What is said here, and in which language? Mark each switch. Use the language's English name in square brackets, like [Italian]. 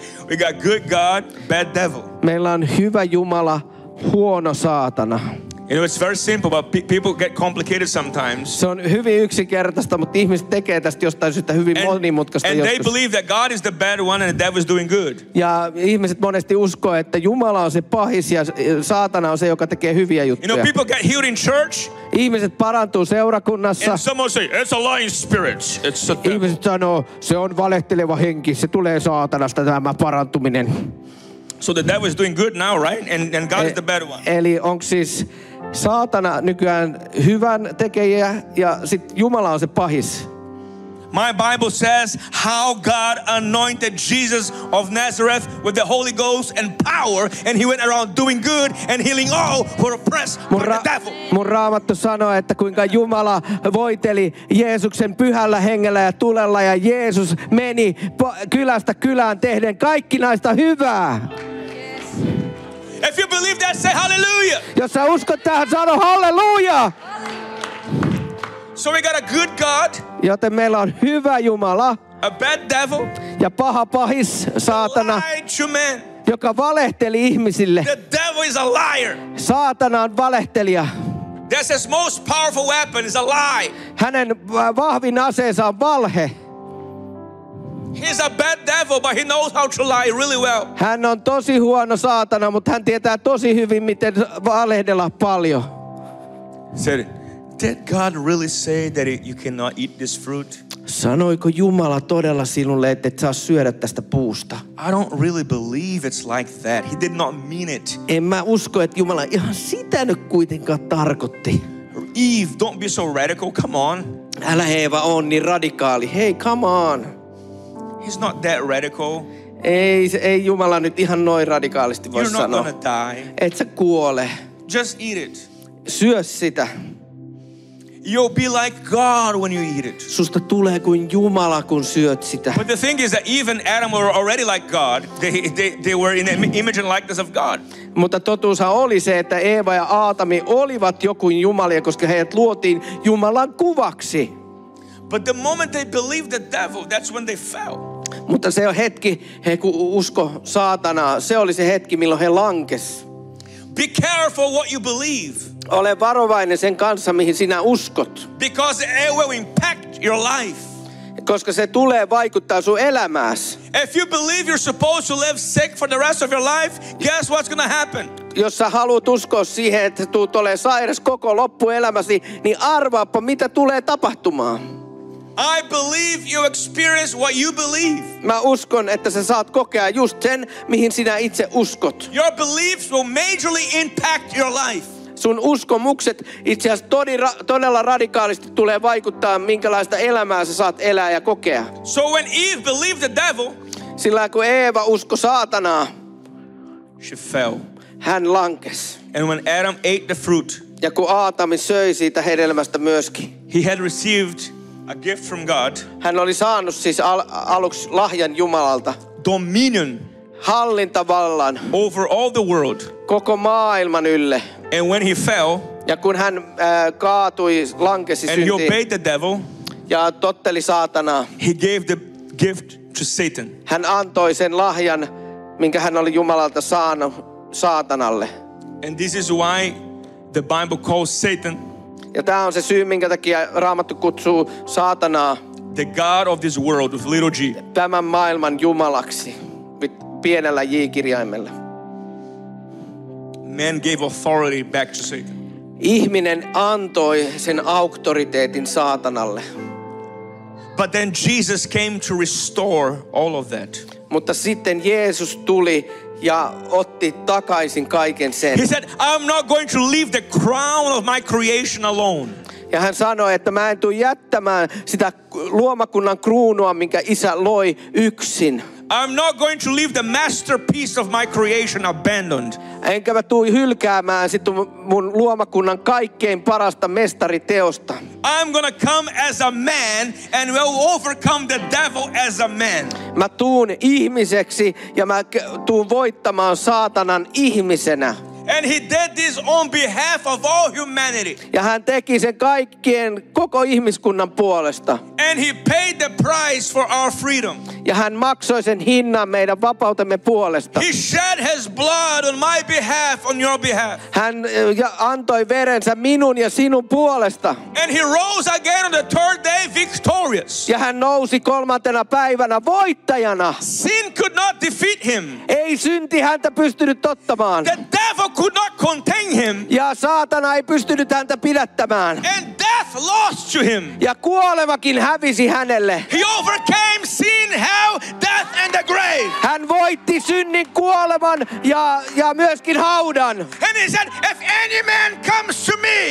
[English] We got good God, bad devil. [Finnish] Meillä on hyvä Jumala, huono saatana. [English] You know, it's very simple, but people get complicated sometimes. [Finnish] Se on hyvin yksinkertaista, mutta ihmiset tekee tästä jostain syystä hyvin monimutkaista. [English] And they believe that God is the bad one and the devil is doing good. [Finnish] Ja ihmiset monesti uskoo, että Jumala on se pahis ja saatana on se, joka tekee hyviä juttuja. [English] You know, people get healed in church. [Finnish] Ihmiset parantuu seurakunnassa. [English] And someone say, it's a lying spirit. It's a devil. [Finnish] Ihmiset sanoo, se on valehteleva henki, se tulee saatanasta tämä parantuminen. [English] So the devil is doing good now, right? And God is the bad one. [Finnish] Eli onko siis saatana nykyään hyvän tekejä ja sit Jumala on se pahis. [English] My Bible says how God anointed Jesus of Nazareth with the Holy Ghost and power and he went around doing good and healing all who were oppressed by the devil. [Finnish] Mun Raamattu sanoo, että kuinka Jumala voiteli Jeesuksen pyhällä hengellä ja tulella ja Jeesus meni kylästä kylään tehden kaikkinaista hyvää. [English] If you believe that, say hallelujah. [Finnish] Jos sä uskot tähän, sano hallelujah. [English] So we got a good God. [Finnish] Joten meillä on hyvä Jumala. [English] A bad devil. [Finnish] Ja paha pahis, saatana. [English] A lying man. [Finnish] Joka valehteli ihmisille. [English] The devil is a liar. [Finnish] Saatana on valehtelija. [English] That's his most powerful weapon is a lie. [Finnish] Hänen vahvin aseensa on valhe. [English] He's a bad devil, but he knows how to lie really well. [Finnish] Hän on tosi huono saatana, mutta hän tietää tosi hyvin, miten valehdella paljon. [English] Said, did God really say that you cannot eat this fruit? [Finnish] Sanoiko Jumala todella sinulle, että et saa syödä tästä puusta? [English] I don't really believe it's like that. He did not mean it. [Finnish] En mä usko, että Jumala ihan sitä nyt kuitenkaan tarkoitti. [English] Eve, don't be so radical, come on. [Finnish] Älä Eeva on niin radikaali. [English] Hey, come on. He's not that radical. [Finnish] Ei Jumala nyt ihan noin radikaalisti voi sanoa. [English] You're not gonna die. [Finnish] Et sä kuole. [English] Just eat it. [Finnish] Syö sitä. [English] You'll be like God when you eat it. [Finnish] Susta tulee kuin Jumala kun syöt sitä. [English] But the thing is that even Adam were already like God. They were in the image and likeness of God. [Finnish] Mutta totuushan oli se, että Eeva ja Aatami olivat jo kuin Jumalia, koska heidät luotiin Jumalan kuvaksi. [English] But the moment they believed the devil, that's when they fell. [Finnish] Mutta se on hetki, he kun usko saatanaa, se oli se hetki, milloin he lankes. [English] Be careful what you believe. [Finnish] Ole varovainen sen kanssa, mihin sinä uskot. [English] Because it will impact your life. [Finnish] Koska se tulee vaikuttaa sun elämääsi. [English] If you believe you're supposed to live sick for the rest of your life, guess what's going to happen? [Finnish] Jos sä haluat uskoa siihen, että tuut olemaan sairas koko loppuelämäsi, niin arvaappa, mitä tulee tapahtumaan. [English] I believe you experience what you believe. [Finnish] Mä uskon, että sä saat kokea just sen, mihin sinä itse uskot. [English] Your beliefs will majorly impact your life. [Finnish] sun uskomukset itse asiassa todella radikaalisti tulee vaikuttaa, minkälaista elämää sä saat elää ja kokea. [English] So when Eve believed the devil, [Finnish] sillä kun Eeva uskoi saatanaa, [English] she fell. [Finnish] Hän lankes. [English] And when Adam ate the fruit, [Finnish] ja kun Aatami söi siitä hedelmästä myöskin, [English] he had received a gift from God. [Finnish] Hän oli saanut siis aluksi lahjan Jumalalta. [English] Dominion. [Finnish] Hallintavallan. [English] Over all the world. [Finnish] Koko maailman ylle. [English] And when he fell, [Finnish] ja kun hän kaatui, lankesi syntiin. [English] And he obeyed the devil. [Finnish] Ja totteli saatanaa. [English] He gave the gift to Satan. [Finnish] Hän antoi sen lahjan, minkä hän oli Jumalalta saanut, saatanalle. [English] And this is why the Bible calls Satan. [Finnish] Ja tämä on se syy, minkä takia Raamattu kutsuu saatanaa. [English] The God of this world with little g. [Finnish] Tämän maailman jumalaksi pienellä j-kirjaimella. [English] Man gave authority back to Satan. [Finnish] Ihminen antoi sen auktoriteetin saatanalle. [English] But then Jesus came to restore all of that. [Finnish] Mutta sitten Jeesus tuli ja otti takaisin kaiken sen. [English] He said, I'm not going to leave the crown of my creation alone. [Finnish] Ja hän sanoi, että mä en tule jättämään sitä luomakunnan kruunua, minkä isä loi, yksin. [English] I'm not going to leave the masterpiece of my creation abandoned. [Finnish] Enkä mä tuu hylkäämään sit mun luomakunnan kaikkein parasta mestariteosta. [English] I'm gonna come as a man and will overcome the devil as a man. [Finnish] Mä tuun ihmiseksi ja mä tuun voittamaan saatanan ihmisenä. [English] And he did this on behalf of all humanity. [Finnish] Ja hän teki sen kaikkien koko ihmiskunnan puolesta. [English] And he paid the price for our freedom. [Finnish] Ja hän maksoi sen hinnan meidän vapautemme puolesta. [English] He shed his blood on my behalf, on your behalf. [Finnish] Hän antoi verensä minun ja sinun puolesta. [English] And he rose again on the third day victorious. [Finnish] Ja hän nousi kolmantena päivänä voittajana. [English] Sin could not defeat him. [Finnish] Ei synti häntä pystynyt ottamaan. [English] Could not contain him. [Finnish] Ja saatana ei pystynyt häntä pidättämään. [English] And death lost to him. [Finnish] Ja kuolemakin hävisi hänelle. [English] He overcame sin, hell, death and the grave. [Finnish] Hän voitti synnin, kuoleman ja myöskin haudan. [English] And he said, if any man comes to me.